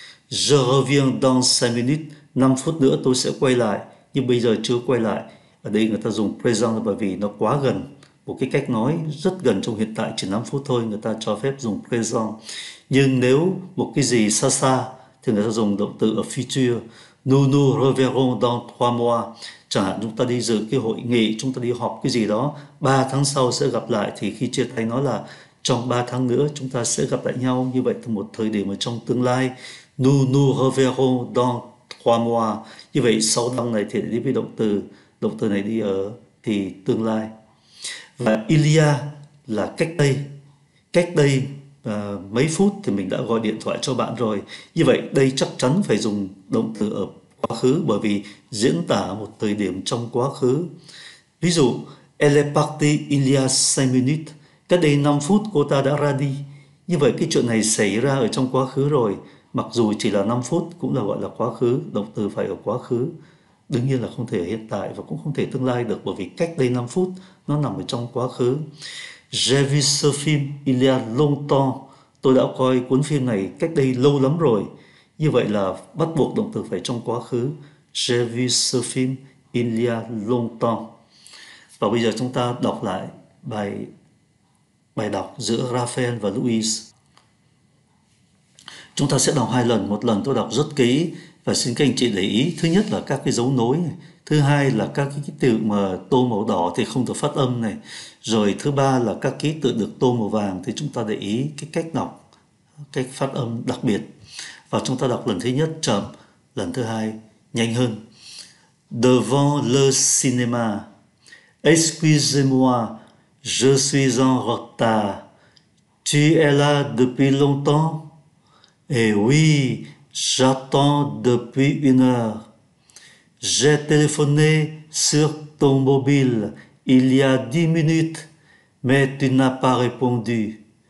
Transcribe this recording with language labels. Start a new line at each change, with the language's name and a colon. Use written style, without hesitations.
French: Je reviens dans 5 minutes,
Vietnamese: 5 phút nữa tôi sẽ quay lại, nhưng bây giờ chưa quay lại. Ở đây người ta dùng present là bởi vì nó quá gần, một cái cách nói rất gần trong hiện tại, chỉ 5 phút thôi, người ta cho phép dùng present. Nhưng nếu một cái gì xa xa thì người ta dùng động từ ở future.
French: Nous nous reverrons dans 3 mois.
Vietnamese: Chẳng hạn chúng ta đi dự cái hội nghị, chúng ta đi họp cái gì đó, 3 tháng sau sẽ gặp lại, thì khi chia tay nói là trong 3 tháng nữa chúng ta sẽ gặp lại nhau. Như vậy từ một thời điểm ở trong tương lai.
French: Nous nous reverrons dans 3 mois.
Vietnamese: Như vậy sau năm này thì đi với động từ này đi ở thì tương lai. Và Ilia là cách đây mấy phút thì mình đã gọi điện thoại cho bạn rồi. Như vậy đây chắc chắn phải dùng động từ ở quá khứ bởi vì diễn tả một thời điểm trong quá khứ. Ví dụ,
French: elle est partie il y a 5 minutes.
Vietnamese: Cách đây 5 phút cô ta đã ra đi. Như vậy cái chuyện này xảy ra ở trong quá khứ rồi. Mặc dù chỉ là 5 phút cũng là gọi là quá khứ. Động từ phải ở quá khứ. Đương nhiên là không thể ở hiện tại và cũng không thể tương lai được bởi vì cách đây 5 phút nó nằm ở trong quá khứ.
French: J'ai vu ce film il y a longtemps.
Vietnamese: Tôi đã coi cuốn phim này cách đây lâu lắm rồi. Như vậy là bắt buộc động từ phải trong quá khứ.
French: J'ai vu ce film il y a longtemps.
Vietnamese: Và bây giờ chúng ta đọc lại bài bài đọc giữa Raphael và Louise. Chúng ta sẽ đọc hai lần. Một lần tôi đọc rất kỹ và xin các anh chị để ý. Thứ nhất là các cái dấu nối này. Thứ hai là các cái ký tự mà tô màu đỏ thì không được phát âm này. Rồi thứ ba là các ký tự được tô màu vàng thì chúng ta để ý cái cách đọc, cách phát âm đặc biệt. Và chúng ta đọc lần thứ nhất chậm, lần thứ hai nhanh hơn.
French: Devant le cinéma. Excusez-moi, je suis en retard. Tu es là depuis longtemps? Eh oui, j'attends depuis 1 heure. J'ai téléphoné sur ton mobile il y a 10 minutes, mais tu n'as pas répondu.